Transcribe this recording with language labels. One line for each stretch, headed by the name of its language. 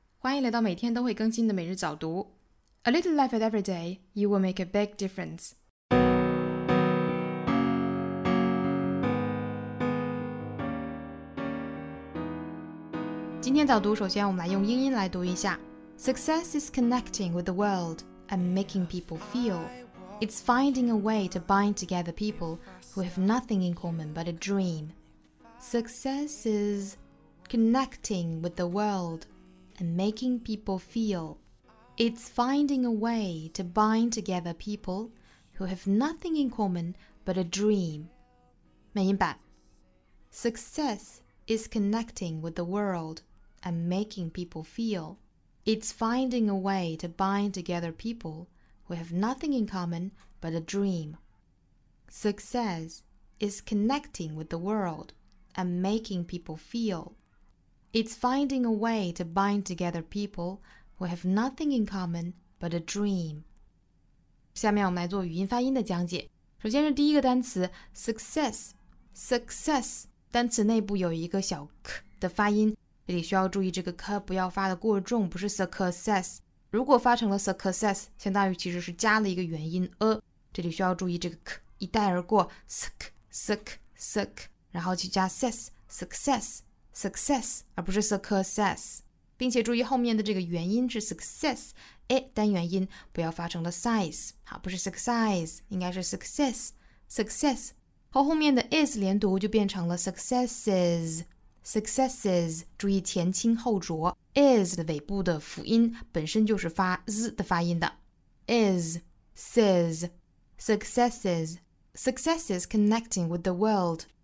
Chinese: 欢迎来到每天都会更新的每日早读。
English: A little life at every day, you will make a big difference.
Chinese: 今天早读首先我们来用英音来读一下。
English: Success is connecting with the world and making people feel. It's finding a way to bind together people who have nothing in common but a dream. Success is... Connecting with the world and making people feel. It's finding a way to bind together people who have nothing in common but a dream.
Chinese: 美音版
English: Success is connecting with the world and making people feel. It's finding a way to bind together people who have nothing in common but a dream. Success is connecting with the world and making people feel. It's finding a way to bind together people who have nothing in common but a dream.
Chinese: 下面我们来做语音发音的讲解。首先是第一个单词 success, success, 单词内部有一个小 k 的发音，这里需要注意这个 k 不要发的过重，不是 success。如果发成了 success, 相当于其实是加了一个元音 a, 这里需要注意这个 k 一带而过 ,sk, sk, sk, 然后去加 ses, success. Success, 而不是 success. 并且注意后面的这个元音是 success, 诶单元音不要发成了 size, 好不是 success, 应该是 success, success. 和后面的 is 连读就变成了 successes, successes, 注意前轻后浊 is 的尾部的辅音本身就是发 z 的发音的 is, says, successes,
English: successes connecting with the world.